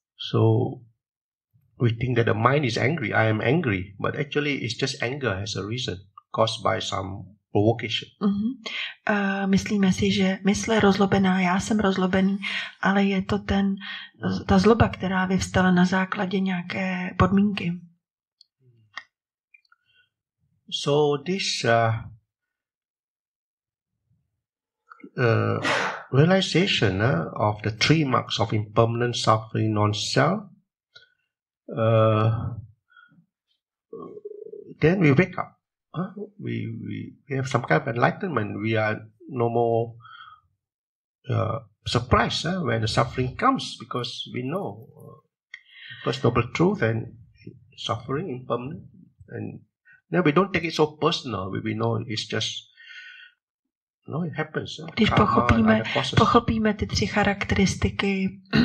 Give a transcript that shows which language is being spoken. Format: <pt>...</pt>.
<en>So we think that the mind is angry. I am angry, but actually, it's just anger as a reason caused by some provocation. Mm-hmm.</en> <cs>Myslíme si, že mysl je rozlobená, já jsem rozlobený, ale je to ta zloba, která vyvstala na základě nějaké podmínky.</cs> <en>So this realization of the three marks of impermanent suffering non-self. Then we wake up. We have some kind of enlightenment. We are no more surprised when the suffering comes because we know first noble truth and suffering impermanent, and then we don't take it so personal. We know it's just. No, it happens.</en> <cs>Když pochopíme ty tři charakteristiky.</cs>